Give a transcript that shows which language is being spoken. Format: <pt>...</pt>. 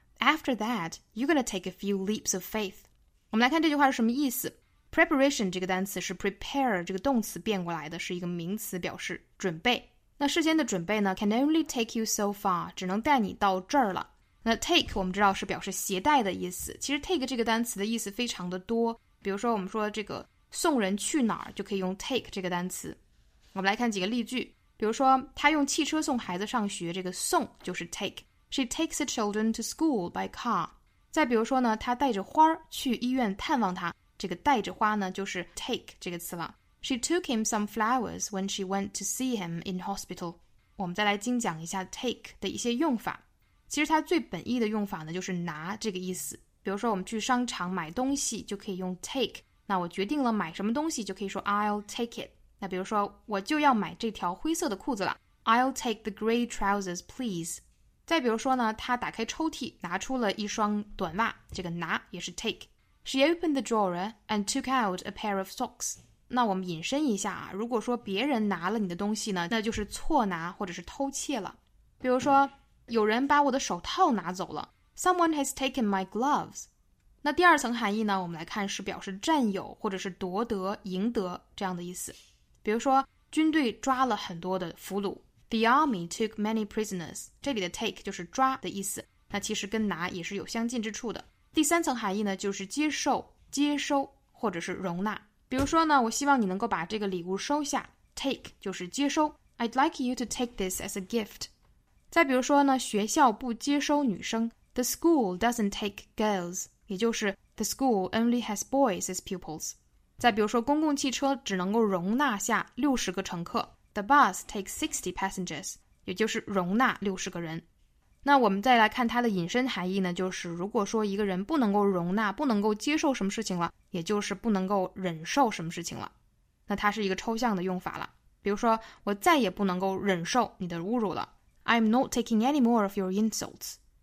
<en>After that, you're gonna take a few leaps of faith.</en> <zh>我们来看这句话是什么意思。 Preparation 这个单词是 prepare 这个动词变过来的，是一个名词，表示准备。那事先的准备呢 ？</zh> <en>Can only take you so far,</en> <zh>只能带你到这儿了。那 take 我们知道是表示携带的意思，其实 take 这个单词的意思非常的多，比如说我们说这个送人去哪儿就可以用 take 这个单词。我们来看几个例句，比如说他用汽车送孩子上学，这个送就是 take.</zh> <en>She takes the children to school by car.</en> <zh>再比如说呢，他带着花去医院探望他，这个带着花呢就是 take 这个词了。</zh> <en>She took him some flowers when she went to see him in hospital.</en> <zh>我们再来精讲一下 take 的一些用法。其实它最本意的用法呢就是拿这个意思，比如说我们去商场买东西就可以用 take, 那我决定了买什么东西就可以说</zh> <en>I'll take it,</en> <zh>那比如说我就要买这条灰色的裤子了，</zh> <en>I'll take the gray trousers please.</en> <zh>再比如说呢，他打开抽屉拿出了一双短袜，这个拿也是 take.</zh> <en>She opened the drawer and took out a pair of socks.</en> <zh>那我们引申一下啊，如果说别人拿了你的东西呢，那就是错拿或者是偷窃了，比如说有人把我的手套拿走了。</zh> <en>Someone has taken my gloves.</en> <zh>那第二层含义呢，我们来看是表示占有或者是夺得、赢得这样的意思。比如说，军队抓了很多的俘虏。</zh> <en>The army took many prisoners.</en> <zh>这里的 take 就是抓的意思。那其实跟拿也是有相近之处的。第三层含义呢，就是接受、接收或者是容纳。比如说呢，我希望你能够把这个礼物收下。 Take 就是接收。</zh> <en>I'd like you to take this as a gift.</en> <zh>再比如说呢，学校不接收女生 ，</zh> <en>The school doesn't take girls，</en> <zh>也就是</zh> <en>The school only has boys as pupils。</en> <zh>再比如说，公共汽车只能够容纳下60个乘客 ，</zh> <en>The bus takes 60 passengers，</en> <zh>也就是容纳60个人。那我们再来看它的引申含义呢，就是如果说一个人不能够容纳、不能够接受什么事情了，也就是不能够忍受什么事情了。那它是一个抽象的用法了。比如说，我再也不能够忍受你的侮辱了。</zh> <en>I'm not taking any more of your insults.</en>